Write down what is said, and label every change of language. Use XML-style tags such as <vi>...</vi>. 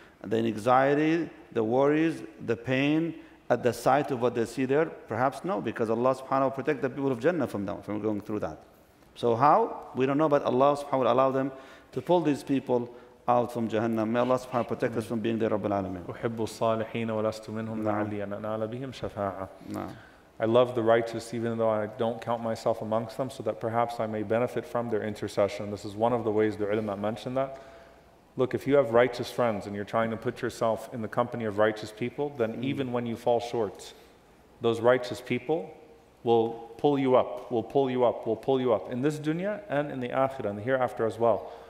<en>the anxiety, the worries, the pain at the sight of what they see there? Perhaps no, because Allah subhanahu wa ta'ala protect the people of Jannah from them, from going through that. So how? We don't know, but Allah subhanahu wa ta'ala allow them to pull these people out from Jahannam. May Allah subhanahu wa ta'ala protect us from being the Rabbul Alameen.</en> <ar>أحب الصالحين ولست منهم لعلي أن أنال بهم شفاعة.</ar> <en>I love the righteous even though I don't count myself amongst them, so that perhaps I may benefit from their intercession. This is one of the ways the ulama mentioned that. Look, if you have righteous friends and you're trying to put yourself in the company of righteous people, then even when you fall short, those righteous people will pull you up, will pull you up, will pull you up in this dunya and in the akhirah and the hereafter as well.</en>